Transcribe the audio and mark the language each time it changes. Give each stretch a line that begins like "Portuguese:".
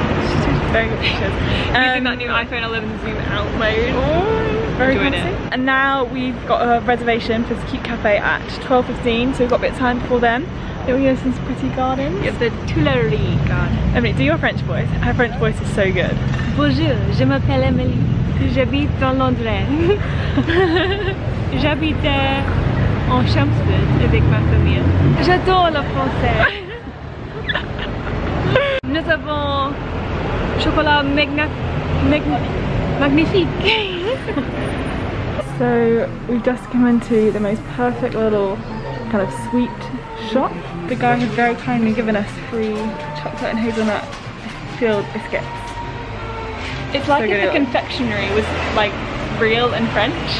English: She's taking very good pictures. Using that new iPhone 11 Zoom Out mode. Very fancy. And now we've got a reservation for this cute cafe at 12:15, so we've got a bit of time before then. Then we go to some pretty gardens. Yep, the Tuileries garden. Emily, do your French voice. Her French voice is so good.
French: Bonjour, je m'appelle Emily. J'habite dans l'Indre. J'habite en Champs-Sud avec ma famille. J'adore le français. Nous avons chocolat magnifique.
English: So we've just come into the most perfect little kind of sweet shop. The guy has very kindly given us free chocolate and hazelnut filled biscuits. It's like so if the like confectionery was like real and French.